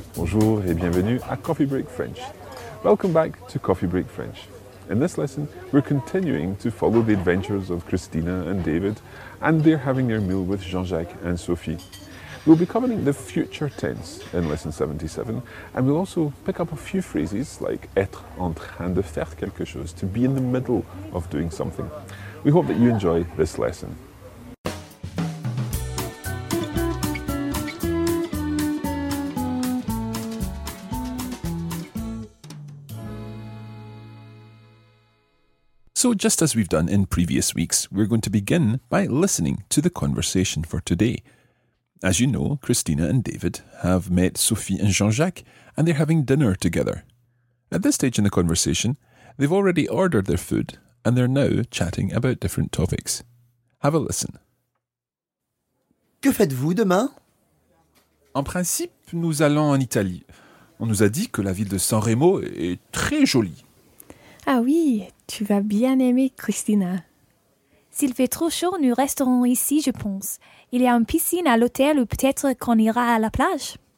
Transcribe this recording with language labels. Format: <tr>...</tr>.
<fr>Bonjour et bienvenue à Coffee Break French.</fr> <en>Welcome back to Coffee Break French. In this lesson, we're continuing to follow the adventures of Christina and David, and they're having their meal with Jean-Jacques and Sophie. We'll be covering the future tense in lesson 77, and we'll also pick up a few phrases like</en> <fr>être en train de faire quelque chose,</fr> <en>to be in the middle of doing something. We hope that you enjoy this lesson. So just as we've done in previous weeks, we're going to begin by listening to the conversation for today. As you know, Christina and David have met Sophie and Jean-Jacques, and they're having dinner together. At this stage in the conversation, they've already ordered their food, and they're now chatting about different topics. Have a listen.</en> <fr>Que faites-vous demain? En principe, nous allons en Italie. On nous a dit que la ville de San Remo est très jolie. Ah oui, tu vas bien aimer, Christina. S'il fait trop chaud, nous resterons ici, je pense. Il y a une piscine à l'hôtel ou peut-être qu'on ira à la plage.</fr>